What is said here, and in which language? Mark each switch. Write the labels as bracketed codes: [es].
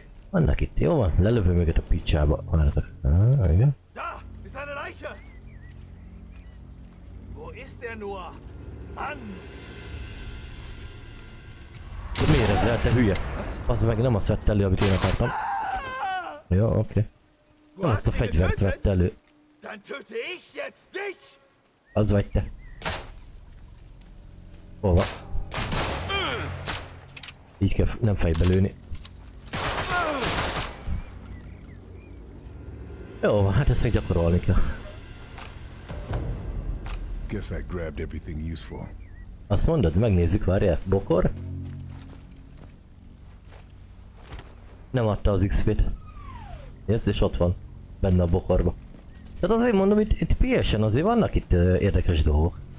[hu] Vannak itt, jó van, lelövöm őket a picsába. Igen. [de] Da! Ist eine Leiche! Wo ist der nur? Mann! [hu] Miért ezzel, te hülye? Az meg nem azt vett elő, amit én akartam. Jó, oké. Okay. Azt a fegyvert vett elő. [de] Dann töte ich jetzt dich! [hu] Az vagy te. Hol van? Így kell nem fejbe lőni. Jó, hát ezt még gyakorolni kell. [en] Guess I grabbed everything useful. [hu] Azt mondod, megnézzük, várjál, bokor. Nem adta az XP-t. Ez is ott van, benne a bokorba. Tehát azért mondom, itt PS-en azért vannak itt érdekes dolgok.